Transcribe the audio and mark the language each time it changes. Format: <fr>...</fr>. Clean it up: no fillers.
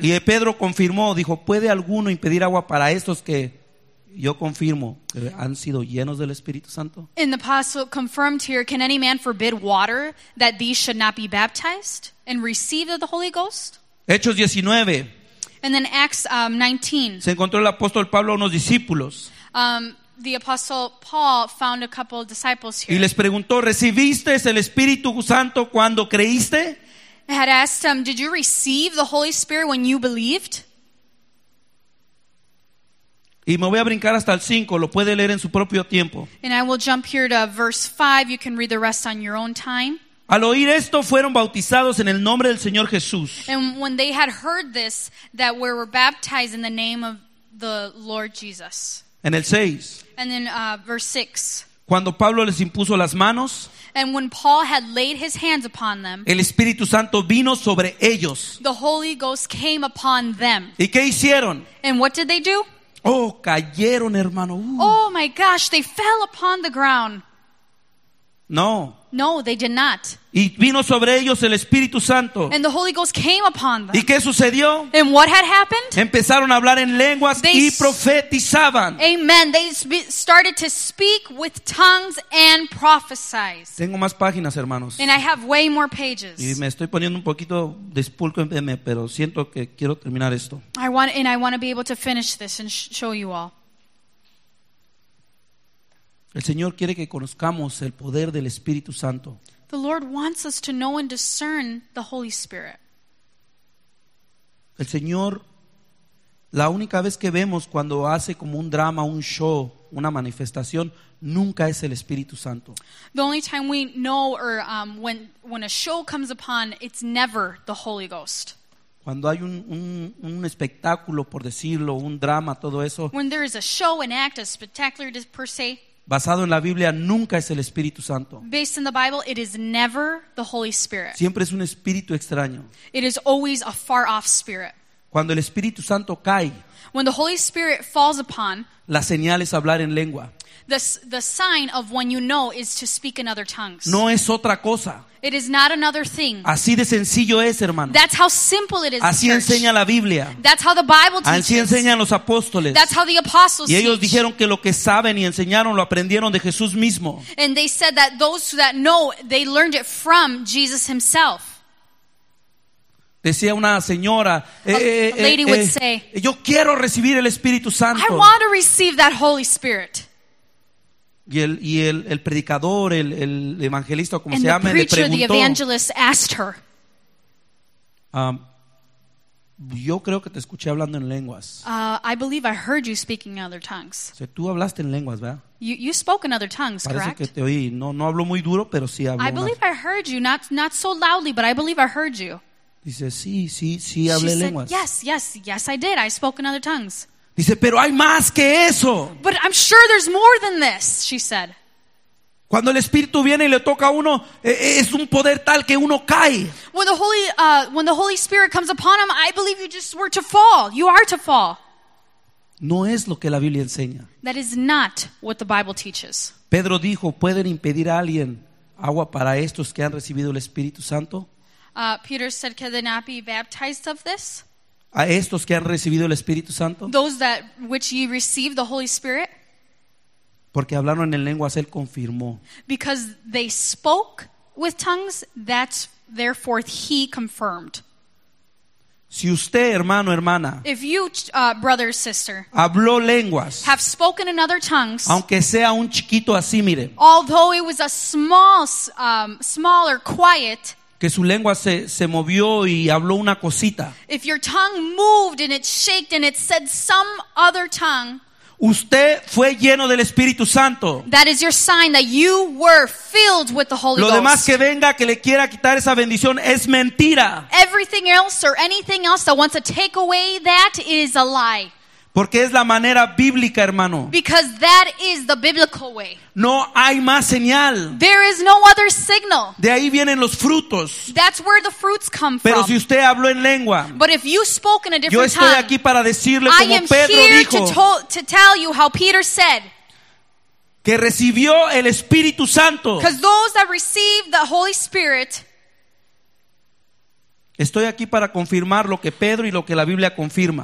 <es>Y Pedro confirmó, dijo, ¿puede alguno impedir agua para estos que... Yo confirmo que han sido llenos del Espíritu Santo.</es> <en>In the apostle confirmed here, can any man forbid water that these should not be baptized and receive of the Holy Ghost?</en> <es>Hechos 19.</es> <en>And then Acts 19.</en> <es>Se encontró el apóstol Pablo a unos discípulos.</es> <en>The apostle Paul found a couple of disciples here.</en> <es>Y les preguntó, ¿recibiste el Espíritu Santo cuando creíste?</es> <en>Had asked them, did you receive the Holy Spirit when you believed?</en> <es>Y me voy a brincar hasta el 5, lo puede leer en su propio tiempo.</es> <en>And I will jump here to verse 5, you can read the rest on your own time.</en> <es>Al oír esto fueron bautizados en el nombre del Señor Jesús.</es> <en>And when they had heard this, that we were baptized in the name of the Lord Jesus.</en> <es>En el 6.</es> <en>And then verse 6.</en> <es>Cuando Pablo les impuso las manos.</es> <en>And when Paul had laid his hands upon them.</en> <es>El Espíritu Santo vino sobre ellos.</es> <en>The Holy Ghost came upon them.</en> <es>¿Y qué hicieron?</es> <en>And what did they do?</en> <es>Oh, cayeron, hermano.</es> <en>Oh my gosh, they fell upon the ground.</en> <es>No.</es> <en>No, they did not.</en> <es>Y vino sobre ellos el Espíritu Santo.</es> <en>And the Holy Ghost came upon them.</en> <es>¿Y qué sucedió?</es> <en>And what had happened?</en> <es>Empezaron a hablar en lenguas y profetizaban. Amen.</es> <en>They started to speak with tongues and prophesied.</en> <es>Tengo más páginas, hermanos.</es> <en>And I have way more pages.</en> <es>Y me estoy poniendo un poquito despulco en PM, pero siento que quiero terminar esto.</es> <en>I want to be able to finish this and show you all.</en> <es>El Señor quiere que conozcamos el poder del Espíritu Santo.</es> <en>The Lord wants us to know and discern the Holy Spirit.</en> <es>El Señor, la única vez que vemos cuando hace como un drama, un show, una manifestación, nunca es el Espíritu Santo.</es> <en>The only time we know or when a show comes upon, it's never the Holy Ghost.</en> <es>Cuando hay un espectáculo, por decirlo, un drama, todo eso.</es> <en>When there is a show, an act, a spectacular per se.</en> <es>Basado en la Biblia, nunca es el Espíritu Santo.</es> <en>Based in the Bible, it is never the Holy Spirit.</en> <es>Siempre es un espíritu extraño.</es> <en>It is always a far off spirit.</en> <es>Cuando el Espíritu Santo cae,</es> <en>when the Holy Spirit falls upon,</en> <es>la señal es hablar en lengua.</es> <en>The sign of when you know is to speak in other tongues.</en> <es>No es otra cosa.</es> <en>It is not another thing.</en> <es>Así de sencillo es, hermano.</es> <en>That's how simple it is.</en> <es>Así enseña la Biblia.</es> <en>That's how the Bible teaches.</en> <es>Así enseñan los apóstoles.</es> <en>That's how the apostles teach.</en> <es>Y ellos dijeron que lo que saben y enseñaron lo aprendieron de Jesús mismo.</es> <en>And they said that those that know, they learned it from Jesus himself.</en> <es>Decía una señora,</es> <en>a lady would say,</en> <es>yo quiero recibir el Espíritu Santo.</es> <en>I want to receive that Holy Spirit.</en> <es>Y el predicador, el evangelista, como</es> <en>and</en> <es>se llame, le preguntó.</es> <en>The evangelist asked her,</en> <es>yo creo que te escuché hablando en lenguas.</es> <en>I believe I heard you speaking in other tongues.</en> <es>O sea, tú hablaste en lenguas, ¿verdad?</es> <en>You spoke in other tongues,</en> <es>parece</es> <en>correct?</en> <es>Que te oí. No hablo muy duro, pero sí hablo.</es> <en>I believe I heard you, not so loudly, but I believe I heard you.</en> <es>Dice, sí, hablé</es> <en>she said,</en> <es>lenguas.</es> <en>Yes, I did. I spoke in other tongues.</en> <es>Dice, pero hay más que eso.</es> <en>But I'm sure there's more than this, she said.</en> <es>Cuando el Espíritu viene y le toca a uno, es un poder tal que uno cae.</es> <en>When the Holy Spirit comes upon him, I believe you just were to fall. You are to fall.</en> <es>No es lo que la Biblia enseña.</es> <en>That is not what the Bible teaches.</en> <es>Pedro dijo, ¿pueden impedir a alguien agua para estos que han recibido el Espíritu Santo?</es> <en>Peter said, can they not be baptized of this?</en> <es>A estos que han recibido el Espíritu Santo.</es> <en>Those that which ye receive the Holy Spirit.</en> <es>Porque hablaron en lenguas, él confirmó.</es> <en>Because they spoke with tongues, that's therefore he confirmed.</en> <es>Si usted, hermano, hermana,</es> <en>if you, brother, sister,</en> <es>habló lenguas,</es> <en>have spoken in other tongues,</en> <es>aunque sea un chiquito así, mire,</es> <en>although it was a smaller, quiet,</en> <es>que su lengua se movió y habló una cosita.</es> <en>If your tongue moved and it shaked and it said some other tongue,</en> <es>Usted fue lleno del Espíritu Santo.</es> <en>That is your sign that you were filled with the Holy Ghost.</en> <es>Lo demás que venga que le quiera quitar esa bendición es mentira.</es> <en>Everything else or anything else that wants to take away that is a lie.</en> <es>Porque es la manera bíblica, hermano.</es> <en>Because that is the biblical way.</en> <es>No hay más señal.</es> <en>There is no other signal.</en> <es>De ahí vienen los frutos.</es> <en>That's where the fruits come from.</en> <es>Pero si usted habló en lengua.</es> <en>But if you spoke in a different tongue.</en> <es>Yo estoy aquí para decirle como Pedro dijo.</es> <en>I am here to tell you how Peter said.</en> <es>Que recibió el Espíritu Santo.</es> <en>Because those that received the Holy Spirit.</en> <es>Estoy aquí para confirmar lo que Pedro y lo que la Biblia confirma.</es>